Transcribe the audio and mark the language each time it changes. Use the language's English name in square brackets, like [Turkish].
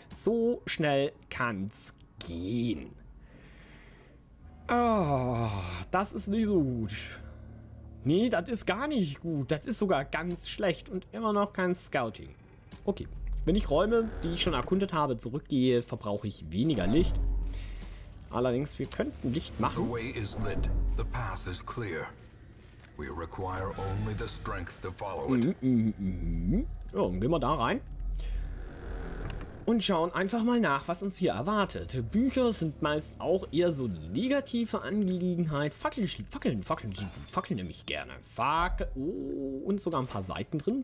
[German] So schnell kann's gehen. Oh, das ist nicht so gut. Nee, das ist gar nicht gut. Das ist sogar ganz schlecht und immer noch kein Scouting. Okay. Wenn ich Räume, die ich schon erkundet habe, zurückgehe, verbrauche ich weniger Licht. Allerdings, wir könnten Licht machen. [English] The way is lit. The path is clear. We require only the strength to follow it. [German] Ja, dann gehen wir da rein. Und schauen einfach mal nach, was uns hier erwartet. Bücher sind meist auch eher so negative Angelegenheit. Fackeln nehme ich gerne. Oh, und sogar ein paar Seiten drin.